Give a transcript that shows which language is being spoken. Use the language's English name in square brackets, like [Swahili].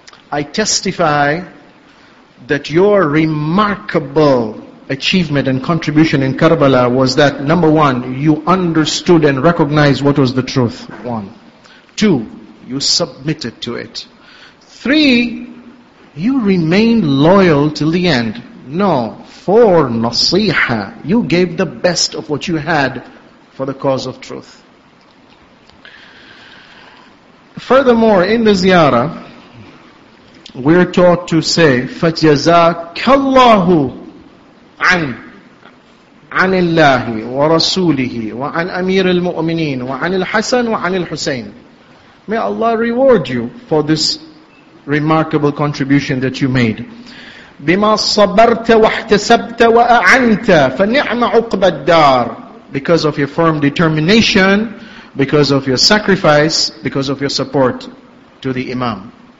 [English] I testify that your remarkable achievement and contribution in Karbala was that, number one, you understood and recognized what was the truth, one. Two, you submitted to it. Three, you remained loyal till the end. No, four, nasiha, you gave the best of what you had for the cause of truth. Furthermore, in the ziyarah, we're taught to say, [Arabic] فَجَزَاكَ اللَّهُ عَنْ اللَّهِ وَرَسُولِهِ وَعَنْ أَمِيرِ الْمُؤْمِنِينَ وَعَنْ الْحَسَنِ وَعَنْ الْحُسَيْنِ. [English] May Allah reward you for this remarkable contribution that you made. [Arabic] بِمَا صَبَرْتَ وَاحْتَسَبْتَ وَأَعَنْتَ فَنِعْمَ عُقْبَ الدَّارِ. [English] Because of your firm determination, because of your sacrifice, because of your support to the Imam.